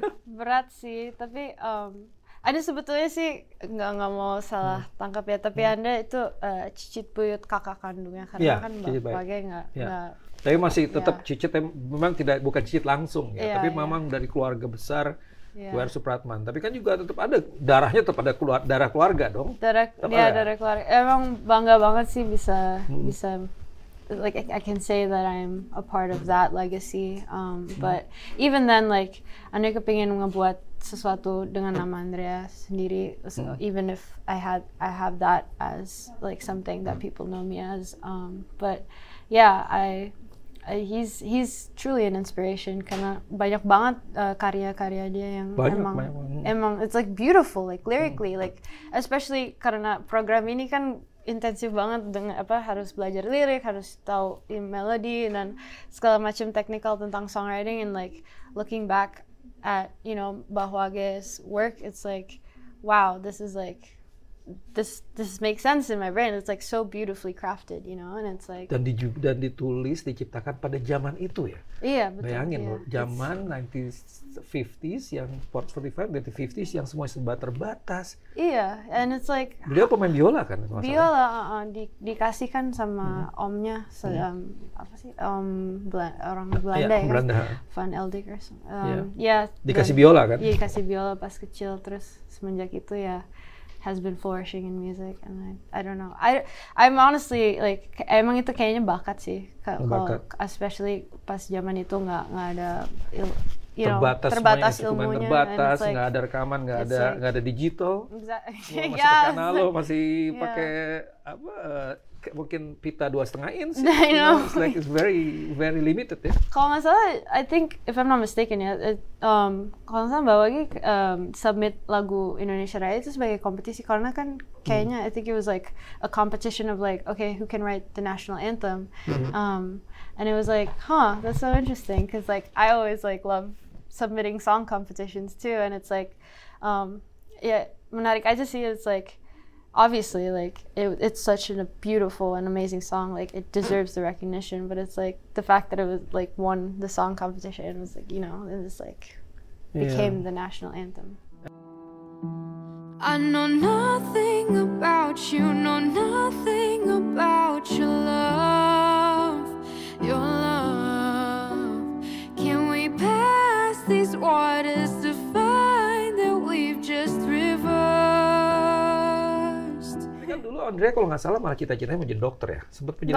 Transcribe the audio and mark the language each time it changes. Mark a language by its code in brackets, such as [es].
[id] Berat sih, tapi ada sebetulnya sih, nggak mau salah tangkap ya, tapi Anda itu Cicit Buyut kakak kandungnya, karena kan bapaknya nggak. Tapi masih tetap Cicit, memang bukan Cicit langsung ya, tapi memang dari keluarga besar W.R. Supratman. Tapi kan juga tetap ada, darahnya tetap ada darah keluarga dong. Darah keluarga, emang bangga banget sih bisa, bisa. [en] Like I can say that I'm a part of that legacy, but even then, like, [id] anda kepingin ngebuat sesuatu dengan nama Andrea sendiri. [en] So even if I have that as like something that people know me as, but yeah, he's truly an inspiration [id] karena banyak banget karya-karya dia yang emang [en] it's like beautiful, like lyrically, like especially [id] karena program ini kan intensif banget dengan apa, harus belajar lirik, harus tahu melody dan segala macam [en] technical tentang songwriting, and like looking back at, you know, Bahwage's work, it's like, wow, this is like, this makes sense in my brain. It's like so beautifully crafted, you know, and it's like, [id] dan ditulis, diciptakan pada zaman itu ya. Iya, betul. Bayangin loh, zaman 1950s yang 1950s yang semua serba terbatas. [en] Iya, and it's like, [id] beliau pemain biola kan? Biola, dikasihkan sama omnya, apa sih, orang Belanda ya? Belanda. [en] Van Eldik or something. Yeah. Yeah, [id] dikasih biola kan? Iya, dikasih biola pas kecil, terus semenjak itu ya [en] has been flourishing in music, and I don't know. I'm honestly like, [id] emang itu kayaknya bakat sih. Bakat. Especially pas zaman itu nggak ada, terbatas ilmunya, terbatas, nggak like, ada rekaman, nggak ada digital. [en] Exactly. [id] Wah, masih pakai analog, masih pakai apa? Mungkin pita 2.5 inch. [en] You know, it's like it's very very limited. Yeah. [id] Kalau nggak salah, [en] I think if I'm not mistaken ya, [id] kalau nggak salah bawa lagi submit lagu Indonesia Raya itu sebagai kompetisi, karena kan kayaknya [en] I think it was like a competition of like, okay, who can write the national anthem, and it was like, huh, that's so interesting, because like I always like love submitting song competitions too, and it's like, [id] menarik aja sih, [en] it's like, obviously, like it's such a beautiful and amazing song. Like it deserves the recognition, but it's like the fact that it was like won the song competition was like, you know, it just like became the national anthem. I know nothing about you, know nothing about your love, your love. Can we pass these waters to find that we've just reversed? [id] Kan dulu Andrea kalau nggak salah malah cita-citanya mau jadi dokter ya, sempat menjadi